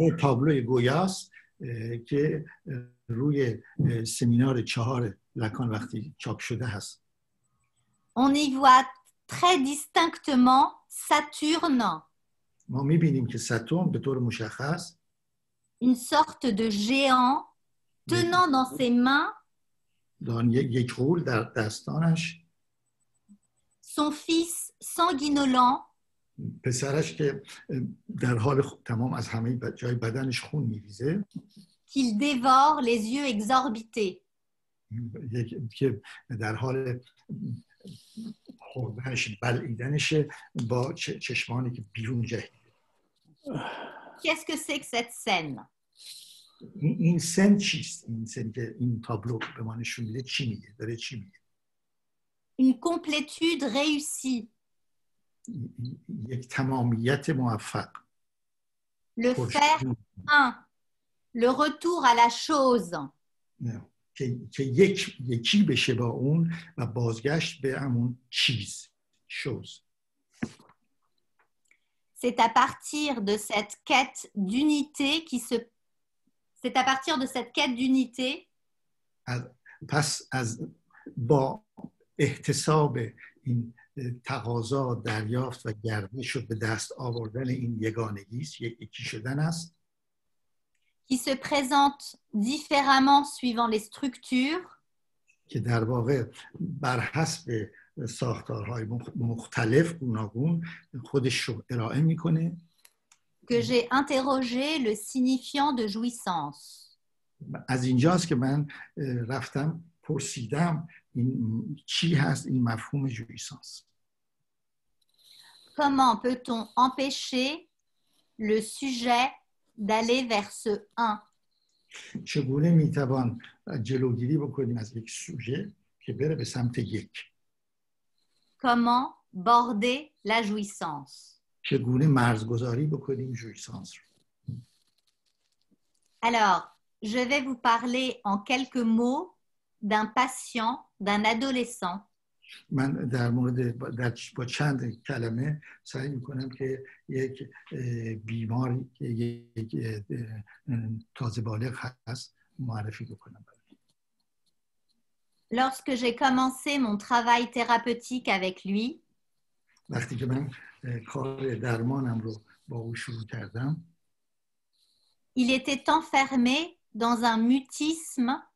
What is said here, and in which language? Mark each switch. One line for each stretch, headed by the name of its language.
French: Tableau Goya qui est روی séminaire 4 Lacan
Persian: وقتی چاپ شده است.
French: On y voit très distinctement Saturne.
Persian: ما می‌بینیم که ساتورن به طور مشخص
French: une sorte de géant tenant dans ses mains
Persian: یک غول در دستانش
French: son fils sanguinolent.
Persian: پسرش که در حال تمام از همه جای بدنش خون می‌ریزه.
French: Qu'il dévore les yeux exorbités.
Persian: که در حال خوردنش بلعیدنش با چشمانی که بیرون جه.
French: Qu'est-ce que c'est que cette scène?
Persian: این سن چیست؟ این سن که این تابلو به ما نشون میده چی میگه؟ داره چی میگه؟
French: Une complétude réussie.
Persian: یک تمامیت موفق.
French: Le faire un. Le retour à la chose.
Persian: که یکی بشه با اون و بازگشت به همون چیز.
French: Chose. C'est à partir de cette quête d'unité qui se... C'est à partir de cette quête d'unité.
Persian: پس از با احتساب این تقاضا دریافت و گردش به دست آوردن این یگانگی است یکی شدن است
French: qui se présente différemment suivant les structures
Persian: که در واقع بر حسب ساختارهای مختلف گوناگون خودش رو ارائه میکنه
French: que j'ai interrogé le signifiant de jouissance
Persian: از اینجاست که من رفتم پرسیدم این چی هست این مفهوم جویسانس
French: Comment peut-on empêcher le sujet d'aller vers ce 1
Persian: چگونه میتوان جلوگیری بکنیم از یک سوژه که بره به سمت یک
French: Comment border la jouissance
Persian: چگونه مرزگذاری بکنیم جویسانس رو
French: Alors, je vais vous parler en quelques mots d'un patient, d'un adolescent.
Persian: من در مورد با چند کلمه سعی میکنم که یک بیماری که یک تازه بالغ هست معرفی بکنم.
French: Lorsque j'ai commencé mon travail thérapeutique avec lui,
Persian: وقتی که من کار درمانم رو با او شروع کردم,
French: il était enfermé dans un mutisme.